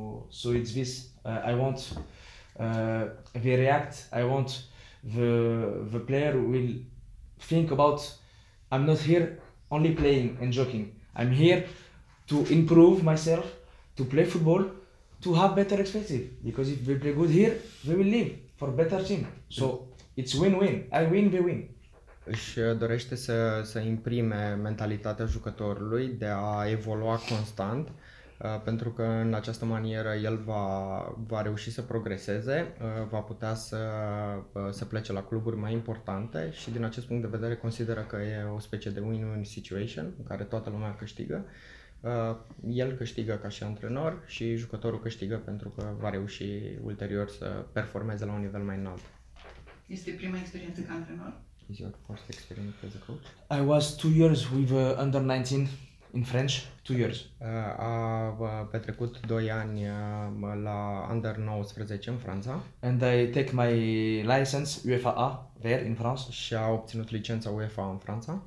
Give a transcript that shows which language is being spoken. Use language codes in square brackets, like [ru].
[en] So it's this, I want they react, I want the player will think about I'm not here only playing and joking. I'm here to improve myself, to play football, to have better expectative, because if we play good here, we will leave for better team. So it's win-win. I win, they win. [ro] Își dorește să imprime mentalitatea jucătorului de a evolua constant, pentru că în această manieră el va reuși să progreseze, va putea să plece la cluburi mai importante și din acest punct de vedere consideră că e o specie de [en] win-win situation [ro] în care toată lumea câștigă. El câștigă ca și antrenor și jucătorul câștigă pentru că va reuși ulterior să performeze la un nivel mai înalt. Este prima experiență ca antrenor? [en] Is your first experience as a coach? I was 2 years with under 19 in French, 2 years. [ro] A petrecut 2 ani la under 19 în Franța. [en] And I take my license UEFA there in France. [ro] Și a obținut licența UEFA în Franța.